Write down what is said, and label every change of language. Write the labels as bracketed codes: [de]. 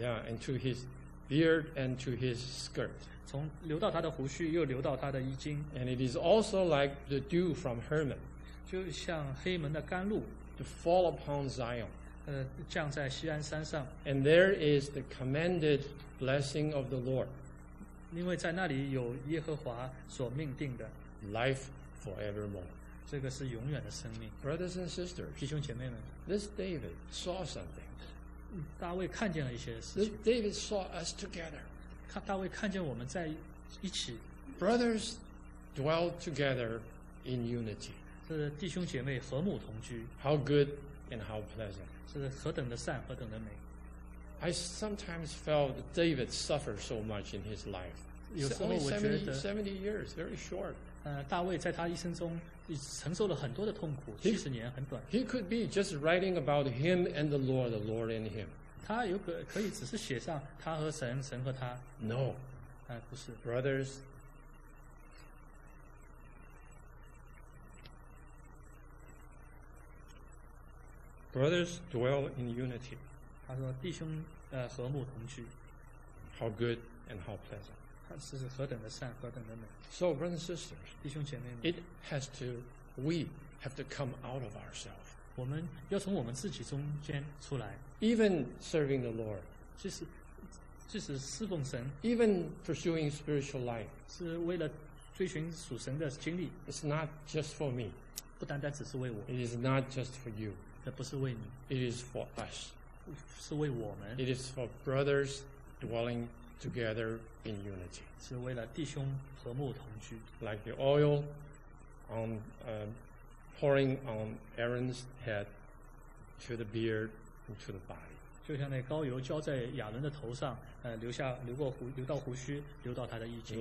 [en] Yeah, and to his beard and to his skirt. [zh] 从流到他的胡须，又流到他的衣襟。 [en] And it is also like the dew from Hermon. [zh] 就像黑门的甘露。 [en] To fall upon Zion. [zh] 降在锡安山上。 [en] And there is the commanded blessing of the Lord. [zh] 因为在那里有耶和华所命定的。 [en] Life forevermore. [zh] 这个是永远的生命。 [en] Brothers and sisters, [zh] 弟兄姐妹们， [en] this David saw something. [zh] 大卫看见了一些事情。 [en] This David saw us together. [zh] 大卫看见我们在一起。 [en] Brothers dwell together in unity. [zh] 是弟兄姐妹和睦同居。 [en] How good and how pleasant. [zh] 是何等的善，何等的美。 [en] I sometimes felt David suffered so much in his life. [zh] 有时候我觉得 [en] 70 years, very short. [zh] 大卫在他一生中承受了很多的痛苦，七十年很短。 [en] He could be just writing about him and the Lord in him. [zh] 他有可以只是写上他和神，神和他。 [en] No. [zh] 不是。 [en] Brothers, brothers dwell in unity. [zh] 他说弟兄和睦同居。 [en] How good and how pleasant. [zh] 是何等的善，何等的美。 [en] So, brothers and sisters, [zh] 弟兄姐妹们， [en] it has to, we have to come out of ourselves. [zh] 我们要从我们自己中间出来。 [en] Even serving the Lord, [zh] 即使侍奉神， [en] even pursuing spiritual life, [zh] 是为了追寻属神的经历。 [en] It's not just for me. [zh] 不单单只是为我。 [en] It is not just for you. [zh] 这不是为你。 [en] It is for us. [zh] 是为我们。 [en] It is for brothers dwelling. Together in unity. [zh] 是为了弟兄和睦同居。 [en] Like the oil on, pouring on Aaron's head to the beard and to the body. [zh] 就像那膏油浇在亚伦的头上，流到胡须，流到他的衣襟。